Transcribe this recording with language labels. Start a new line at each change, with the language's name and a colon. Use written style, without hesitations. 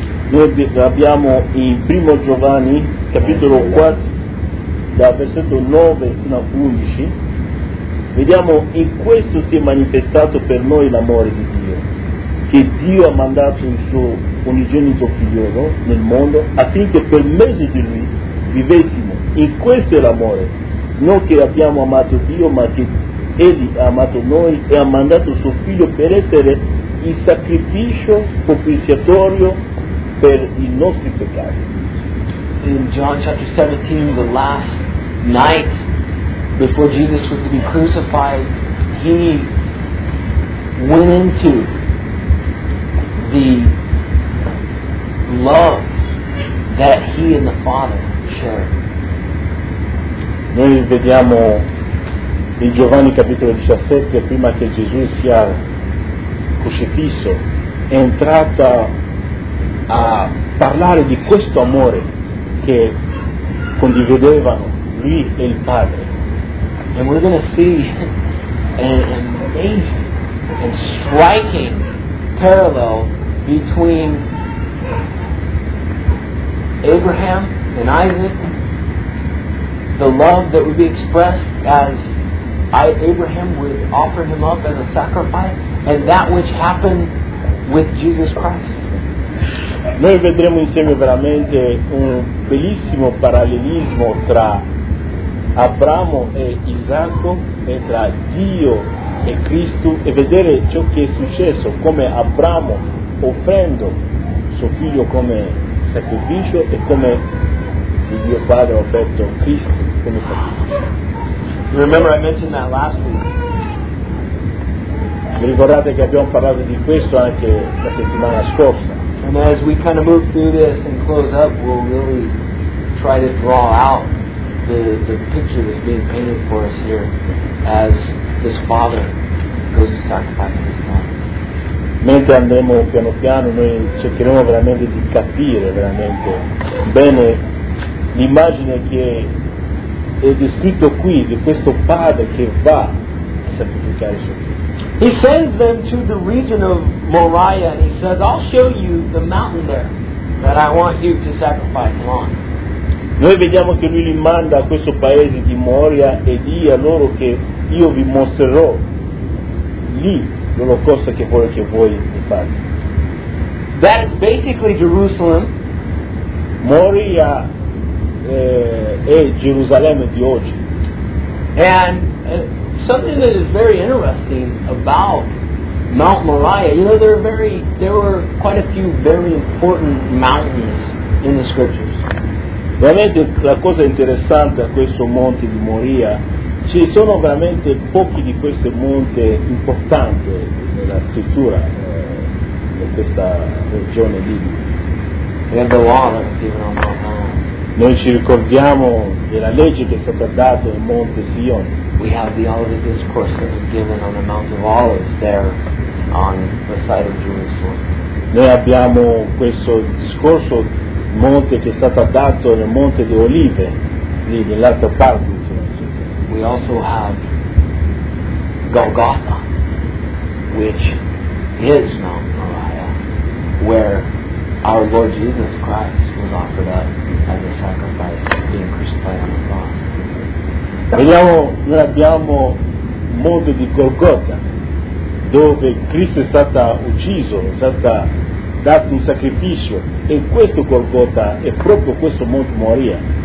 Italian: Noi abbiamo in primo Giovanni, capitolo 4, dal versetto 9 fino a 11, vediamo in questo si è manifestato per noi l'amore di Dio, che Dio ha mandato il suo unigenito figliolo nel mondo affinché per mezzo di lui vivessimo. In questo è l'amore, non che abbiamo amato Dio, ma che Egli ha amato noi e ha mandato il suo figlio per essere il sacrificio propiziatorio per I nostri peccati.
English: In John chapter 17, the last night before Jesus was to be crucified, He went into the love that He and the Father shared.
Italian: Noi vediamo in Giovanni capitolo 17, prima che Gesù sia crocifisso, è entrata a parlare di questo amore che condividevano lui e il Padre.
English: And we're going to see an amazing and striking parallel between Abraham and Isaac, the love that would be expressed as Abraham would offer him up as a sacrifice, and that which happened with Jesus Christ.
Italian: Noi vedremo insieme veramente un bellissimo parallelismo tra Abramo e Isacco e tra Dio e Cristo, e vedere ciò che è successo, come Abramo offrendo suo figlio come sacrificio e come il Dio Padre ha offerto Cristo come sacrificio.
English: Remember, I mentioned that last week.
Italian: Vi ricordate che abbiamo parlato di questo anche la settimana scorsa.
English: And as we kind of move through this and close up, we'll really try to draw out the picture that's being painted for us here as this Father goes to sacrifice His Son.
Italian: Mentre andremo piano piano, noi cercheremo veramente di capire veramente bene l'immagine che è descritto qui di questo Padre che va a sacrificare Suo Figlio.
English: He sends them to the region of Moriah, and He says, I'll show you the mountain there that I want you to sacrifice on.
Italian: Noi vediamo che lui li manda a questo paese di Moria e dì a loro che io vi mostrerò lì l'olocausto che vuole che voi mi fate.
English: That is basically Jerusalem.
Italian: Moria è Gerusalemme di oggi.
English: And something that is very interesting about Mount Moriah, you know, there were quite a few very important mountains in the scriptures.
Italian: Veramente la cosa interessante a questo monte di Moria, ci sono veramente pochi di questi monti importanti nella scrittura in questa regione lì.
English: And the law that was given on Mount Moriah.
Italian: Noi ci ricordiamo della legge che è stata data nel Monte Sion.
English: We have the Olivet Discourse that was given on the Mount of Olives there on the site of Jerusalem.
Italian: Noi abbiamo questo discorso monte che è stato dato nel Monte di Olive, lì nell'altra parte.
English: We also have Golgotha, which is Mount Moriah, where our Lord Jesus Christ was offered up as a sacrifice, being crucified on the cross.
Italian: Vediamo, noi abbiamo il monte di Golgotha, dove Cristo è stato ucciso, è stato dato un sacrificio, e questo Golgotha è proprio questo monte Moria.